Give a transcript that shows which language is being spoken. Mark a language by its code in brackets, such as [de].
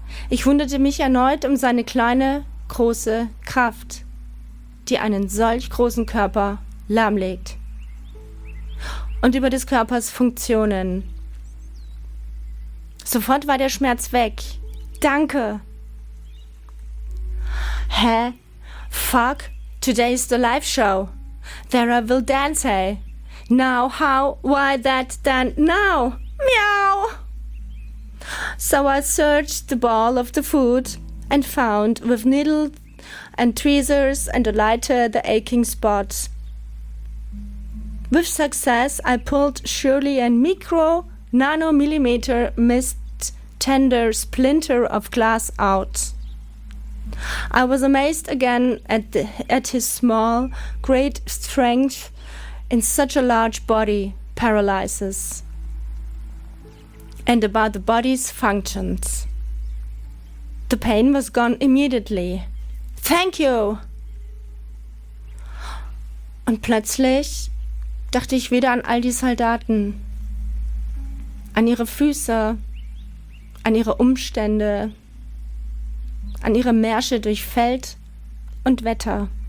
[de] Ich wunderte mich erneut um seine kleine, große Kraft, die einen solch großen Körper lahmlegt. Und über des Körpers Funktionen. Sofort war der Schmerz weg. Danke. Hä? [en] Fuck, today is the live show. There I will dance, hey. Now, how, why that, then, now. Miau. So I searched the ball of the food and found with needles and tweezers and a lighter the aching spot. With success, I pulled surely a micro nanomillimeter mist tender splinter of glass out. I was amazed again at his small, great strength in such a large body paralysis. And about the body's functions. The pain was gone immediately. Thank you! [de] Und plötzlich dachte ich wieder an all die Soldaten, an ihre Füße, an ihre Umstände, an ihre Märsche durch Feld und Wetter.